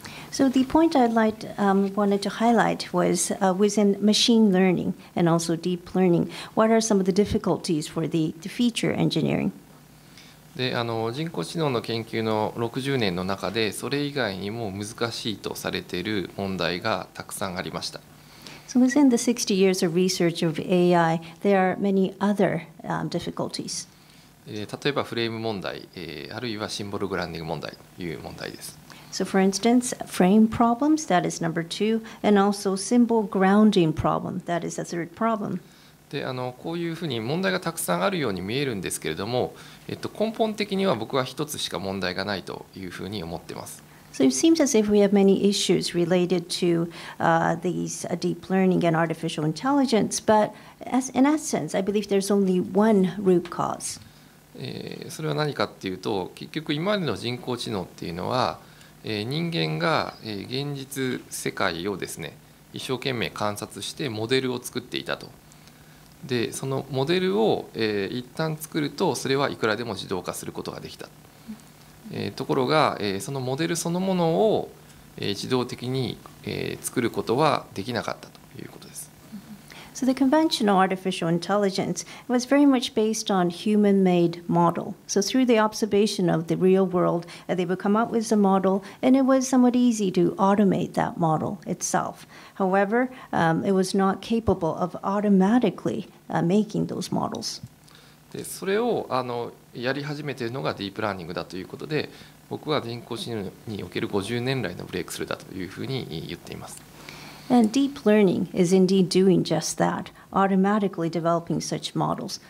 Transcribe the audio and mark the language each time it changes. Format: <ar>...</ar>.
<en>So the point I'd like wanted to highlight was within machine learning and also deep learning, what are some of the difficulties for the feature engineering?</en> <ja>で人工知能の研究の60年の中でそれ以外にも難しいとされている問題がたくさんありました。</ja> <en>So within the 60 years of research of AI, there are many other difficulties.</en> <ja>例えばフレーム問題、あるいはシンボルグランディング問題という問題です。</ja> <en>So for instance, frame problems, that is number two, and also symbol grounding problem, that is a third problem.</en> <ja>で、こういうふうに問題がたくさんあるように見えるんですけれども、根本的には僕は一つしか問題がないというふうに思ってます。</ja> <en>So it seems as if we have many issues related to these deep learning and artificial intelligence, but in essence, I believe there's only one root cause.</en> <ja>それは何かっていうと、結局今までの人工知能っていうのは人間が現実世界をですね一生懸命観察してモデルを作っていたと。でそのモデルを一旦作るとそれはいくらでも自動化することができた。ところがそのモデルそのものを自動的に作ることはできなかったということです。</ja> <en>So the conventional artificial intelligence was very much based on human-made model. So through the observation of the real world, they would come up with a model, and it was somewhat easy to automate that model itself. However, it was not capable of automatically making those models.</en> <ja>でそれをやり始めているのがディープラーニングだということで、僕は人工知能における50年来のブレイクスルーだというふうに言っています。</ja> <en>And deep learning is indeed doing just that, automatically developing such models.</en>